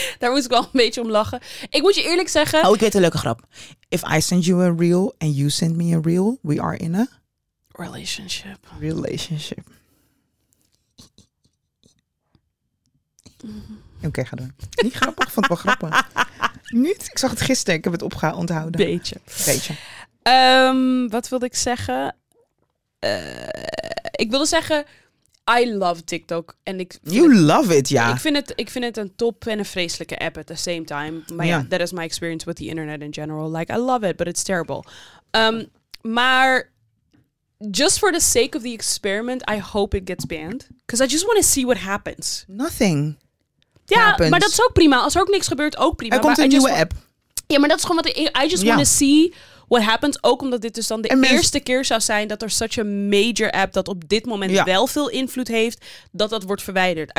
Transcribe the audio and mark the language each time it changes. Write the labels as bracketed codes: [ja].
[nl] Daar moest ik wel een beetje om lachen. Ik moet je eerlijk zeggen, oh, ik weet een leuke grap. [en] If I send you a reel and you send me a reel, we are in a relationship. Relationship. [nl] Oké, ga door. Niet grappig, ik vond het wel grappig. Niet? Ik zag het gisteren, ik heb het onthouden. Beetje. Wat wilde ik zeggen? Ik wilde zeggen, [en] I love TikTok. [nl] En ik [en] you het, love it, ja. [nl] Ik vind het een top en een vreselijke app [en] at the same time. [nl] Maar yeah. [en] That is my experience with the internet in general. Like, I love it, but it's terrible. [nl] Maar [en] just for the sake of the experiment, I hope it gets banned. Because I just want to see what happens. Nothing. [nl] Ja, [en] happens. [nl] Maar dat is ook prima. Als er ook niks gebeurt, ook prima. Er komt maar een nieuwe app. Ja, maar dat is gewoon wat ik... [en] I just want to see what happens. [nl] Ook omdat dit dus dan de eerste keer zou zijn dat er [en] such a major app [nl] dat op dit moment wel veel invloed heeft, dat wordt verwijderd.